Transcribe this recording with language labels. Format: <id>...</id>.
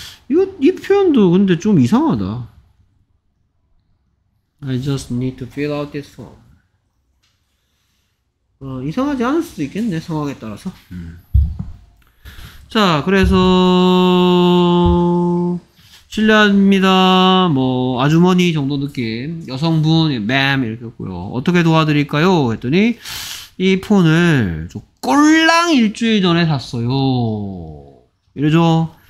<ko>이 표현도 근데 좀 이상하다.</ko> <en>I just need to fill out this form.</en> <ko>이상하지 않을 수도 있겠네, 상황에 따라서. 자, 그래서 실례합니다. 뭐 아주머니 정도 느낌. 여성분, 맴 이렇게 했고요. 어떻게 도와드릴까요? 했더니 이 폰을 좀 꼴랑 일주일 전에 샀어요. 이러죠.</ko>